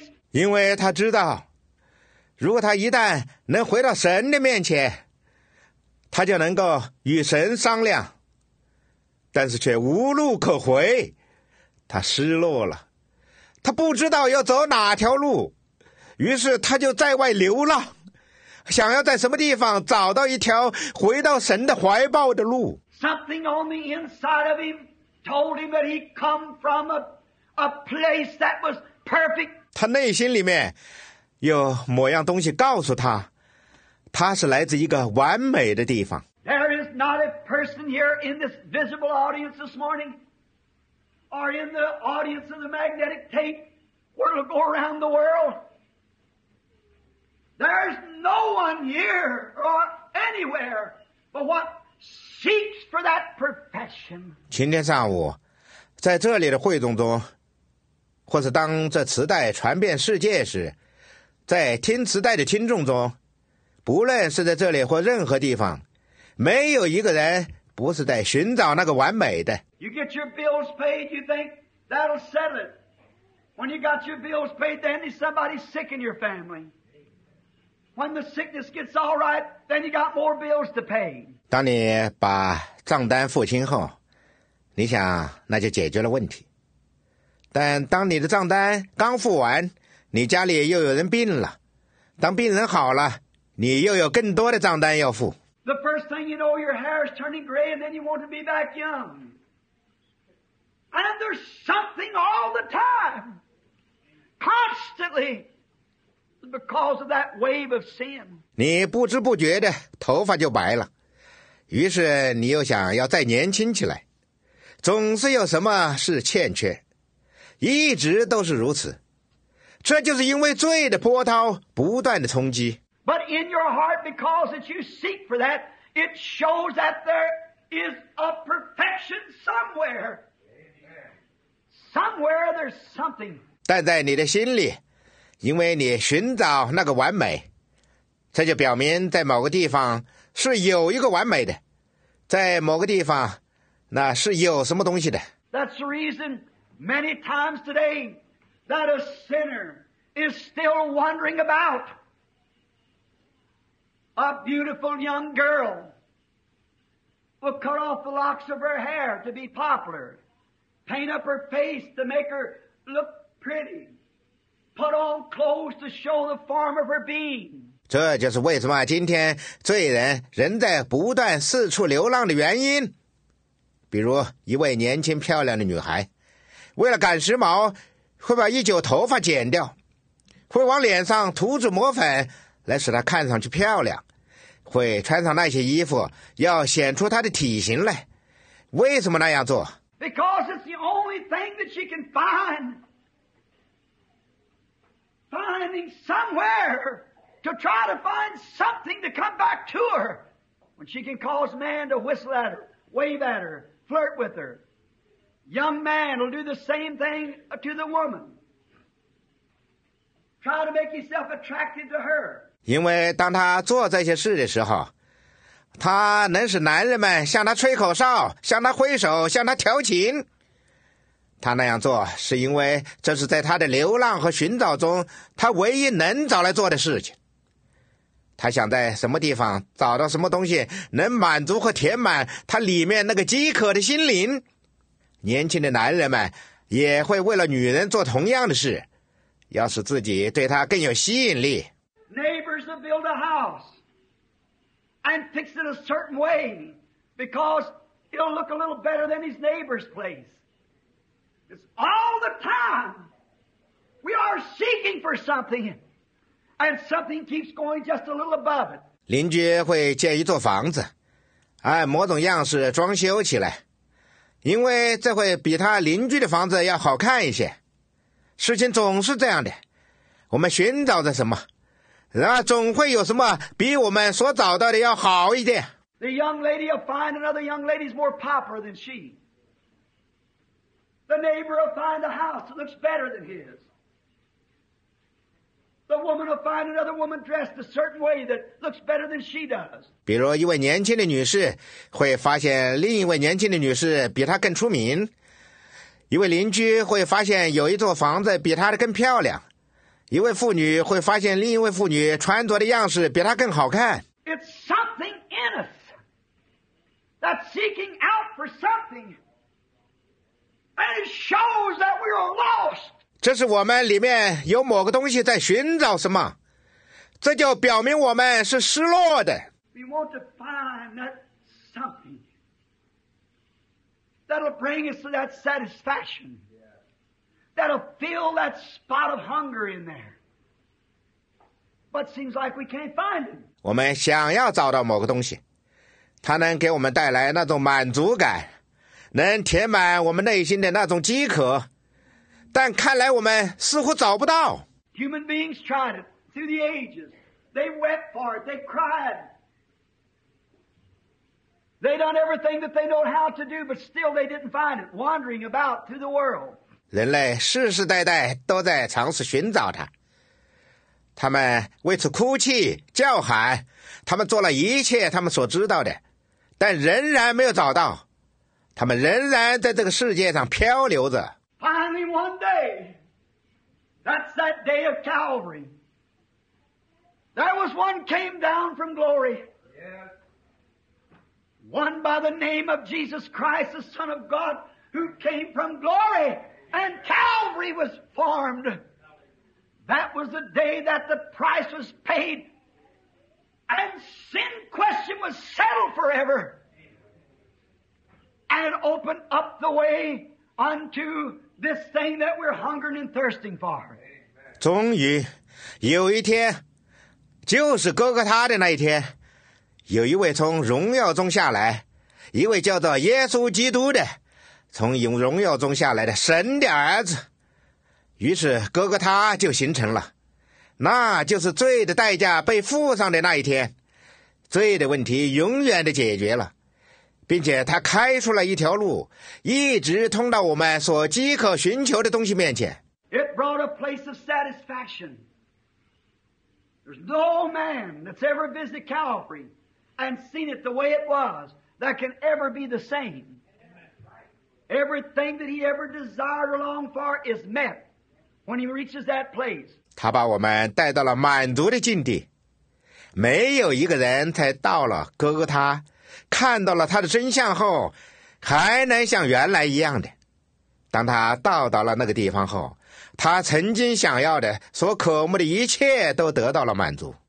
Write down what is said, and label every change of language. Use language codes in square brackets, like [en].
[zh] 因为他知道，如果他一旦能回到神的面前，他就能够与神商量，但是却无路可回，他失落了，他不知道要走哪条路，于是他就在外流浪，想要在什么地方找到一条回到神的怀抱的路。 [en] Something on the inside of him told him that he come from a place that was perfect. [zh] 他内心里面有某样东西告诉他，他是来自一个完美的地方。 [en] There is not a person here in this visible audience this morning, or in the audience of the magnetic tape, where it'll go around the world. There's no one here or anywhere but what seeks for that perfection. [zh] 今天上午，在这里的会众中。或是当这磁带传遍世界时，在听磁带的听众中，不论是在这里或任何地方，没有一个人不是在寻找那个完美的。 [en] You get your bills paid, you think that'll settle it. When you got your bills paid, then there's somebody sick in your family. When the sickness gets all right, then you got more bills to pay. [zh] 当你把账单付清后，你想那就解决了问题。但当你的账单刚付完，你家里又有人病了。当病人好了，你又有更多的账单要付。 [en] The first thing you know, your hair is turning gray, and then you want to be back young. And there's something all the time, constantly, because of that wave of sin. [zh] 你不知不觉的头发就白了，于是你又想要再年轻起来，总是有什么是欠缺。一直都是如此，这就是因为罪的波涛不断的冲击。 [en] But in your heart, because that you seek for that, it shows that there is a perfection somewhere. Somewhere there's something. [zh] 但在你的心里，因为你寻找那个完美，这就表明在某个地方是有一个完美的，在某个地方那是有什么东西的。 [en] That's the reason. Many times today that a sinner is still wandering about a beautiful young girl will cut off the locks of her hair to be popular, paint up her face to make her look pretty, put on clothes to show the form of her being. [zh] 这就是为什么今天罪人仍在不断四处流浪的原因。比如一位年轻漂亮的女孩。为了赶时髦，会把一绺头发剪掉，会往脸上涂脂抹粉来使它看上去漂亮，会穿上那些衣服要显出她的体型来。为什么那样做？ [en] Because it's the only thing that she can find. Finding somewhere to try to find something to come back to her when she can cause man to whistle at her, wave at her, flirt with her. Young man will do the same thing to the woman. Try to make yourself attractive to her. [zh] 因为当他做这些事的时候，他能使男人们向他吹口哨，向他挥手，向他调情。他那样做是因为这是在他的流浪和寻找中他唯一能找来做的事情。他想在什么地方找到什么东西能满足和填满他里面那个饥渴的心灵。年轻的男人们也会为了女人做同样的事，要使自己对她更有吸引力。 [en] Neighbors will build a house and fix it a certain way because it'll look a little better than his neighbor's place. It's all the time we are seeking for something and something keeps going just a little above it. [zh] 邻居会建一座房子，按某种样式装修起来，因为这会比他邻居的房子要好看一些。事情总是这样的，我们寻找着什么，然而总会有什么比我们所找到的要好一点。 [en] The young lady will find another young lady is more popular than she. The neighbor will find a house that looks better than his. The woman will find another woman dressed a certain way that looks better than she does. [zh] 比如一位年轻的女士会发现另一位年轻的女士比她更出名。一位邻居会发现有一座房子比她的更漂亮。一位妇女会发现另一位妇女穿着的样式比她更好看。 [en] It's something in us that's seeking out for something, and it shows that we're lost. [zh] 这是我们里面有某个东西在寻找什么，这就表明我们是失落的。 [en] We want to find that something that'll bring us to that satisfaction. That'll fill that spot of hunger in there. But seems like we can't find it. [zh] 我们想要找到某个东西，它能给我们带来那种满足感，能填满我们内心的那种饥渴，但看来我们似乎找不到。 [en] Human beings tried it through the ages. They wept for it. They cried. They done everything that they know how to do, but still they didn't find it. Wandering about through the world. [zh] 人类世世代代都在尝试寻找它，他们为此哭泣叫喊，他们做了一切他们所知道的，但仍然没有找到，他们仍然在这个世界上漂流着。 [en] Finally one day, that's that day of Calvary. There was one came down from glory. One by the name of Jesus Christ, the Son of God, who came from gloryAnd Calvary was formed. That was the day that the price was paid. And sin question was settled forever. And opened up the way unto this thing that we're hungering and thirsting for. [zh] 终于有一天，就是哥哥他的那一天，有一位从荣耀中下来，一位叫做耶稣基督的。从荣耀中下来的神的儿子，于是哥哥他就形成了，那就是罪的代价被付上的那一天，罪的问题永远的解决了，并且他开出了一条路，一直通到我们所饥渴寻求的东西面前。 [en] It brought a place of satisfaction. There's no man that's ever visited Calvary and seen it the way it was that can ever be the same. Everything that he ever desired or longed for is met when he reaches that place. [zh] 他把我们带到了满足的境地，没有一个人才到了哥哥他看到了他的真相后还能像原来一样的。当他到达了那个地方后，他曾经想要的所渴慕的一切都得到了满足。